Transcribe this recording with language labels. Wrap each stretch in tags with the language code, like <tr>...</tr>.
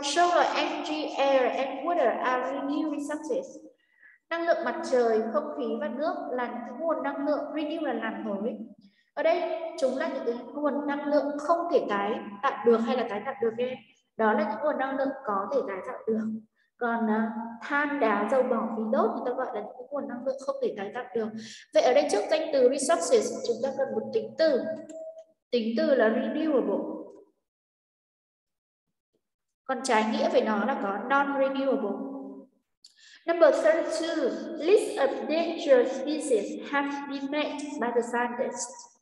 <en>Solar energy, air and water are renewable resources.</en> <vi>Năng lượng mặt trời, không khí và nước là những cái nguồn năng lượng renewable, là làm mới. Ở đây chúng là những cái nguồn năng lượng không thể tái tạo được hay là tái tạo được em. Đó là những nguồn năng lượng có thể tái tạo được. Còn than, đá, dầu mỏ, khí đốt người ta gọi là những nguồn năng lượng không thể tái tạo được. Vậy ở đây trước danh từ resources chúng ta cần một tính từ. Tính từ là renewable. Còn trái nghĩa về nó là có non-renewable.</vi> <en>Number 32. List of endangered species have been made by the scientists.</en>